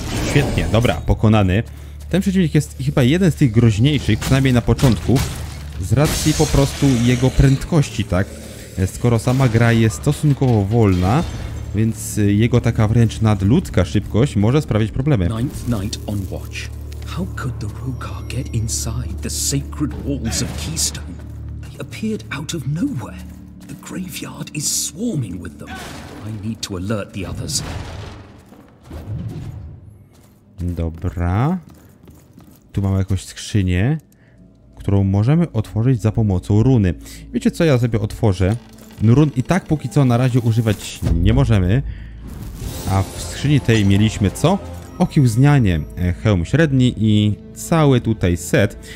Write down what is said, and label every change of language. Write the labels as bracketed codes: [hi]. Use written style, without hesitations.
[pl] Świetnie, dobra, pokonany. Ten przeciwnik jest chyba jeden z tych groźniejszych, przynajmniej na początku, z racji po prostu jego prędkości, tak? Skoro sama gra jest stosunkowo wolna, więc jego taka wręcz nadludzka szybkość może sprawić problemy. [en] Ninth night on watch. How could the Rukar get inside the sacred walls of Keystone? They appeared out of nowhere. The graveyard is swarming with them. I need to alert the others. [pl] Dobra. Tu mamy jakąś skrzynię, którą możemy otworzyć za pomocą runy. Wiecie co, ja sobie otworzę. No run i tak póki co na razie używać nie możemy. A w skrzyni tej mieliśmy co? Okiełznianie, hełm średni i cały tutaj set.